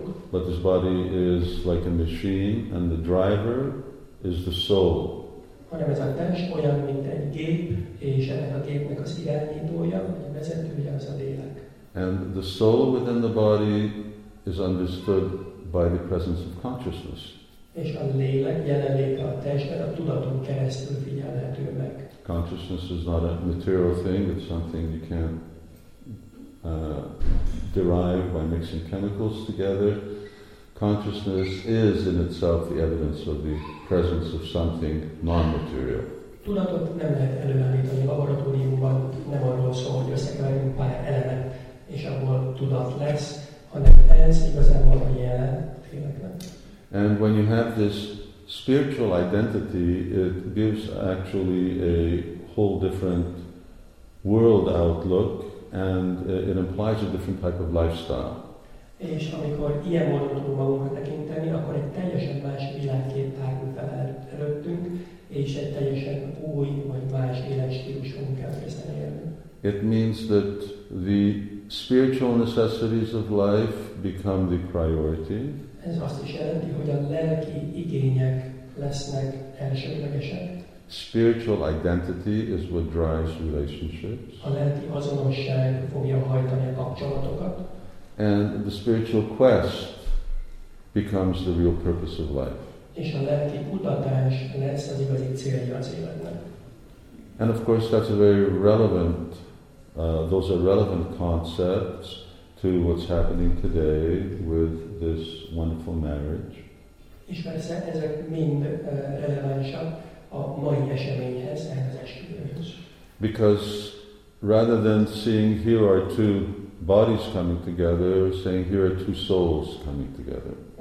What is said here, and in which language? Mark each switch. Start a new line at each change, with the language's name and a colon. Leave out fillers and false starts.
English: But this body is like a machine, and the driver is the soul.
Hungarian: hanem ez a test olyan, mint egy gép, és ennek a gépnek az irányítója, vagy vezetője az a lélek.
English: And the soul within the body is understood by the presence of consciousness.
Hungarian: És a lélek jelenléte a testben a tudaton keresztül figyelhető meg.
English: Consciousness is not a material thing, it's something you can't derive by mixing chemicals together. Consciousness is in itself the evidence of the presence of something non-material.
Hungarian: Tudatot nem lehet előállítani a laboratóriumban, nem arról szól, hogy összekeverjünk pár elemet, és abból tudat lesz, hanem ez igazából a jelenlétnek.
English: And when you have this spiritual identity, it gives actually a whole different world outlook, and it implies a different type of lifestyle.
Hungarian: És amikor ilyen módon tudunk magunkat tekinteni, akkor egy teljesen más világkép tárul fel előttünk, és egy teljesen új vagy más életstílusunk kell kezdeni élni.
English: It means that the spiritual necessities of life become the priority.
Hungarian: Ez azt is jelenti, hogy a lelki igények lesznek elsődlegesek.
English: Spiritual identity is what drives relationships.
Hungarian: A lelki azonosság fogja hajtani a kapcsolatokat.
English: And the spiritual quest becomes the real purpose of life.
Hungarian: És a lelki kutatás lesz az igazi célja az életnek.
English: And of course that's a very relevant, those are relevant concepts to what's happening today with this wonderful marriage.
Hungarian: És persze ezek mind relevánsak a mai eseményhez, ehhez esküvőhöz.
English: Because rather than seeing here are two bodies coming together, saying here are two souls coming together.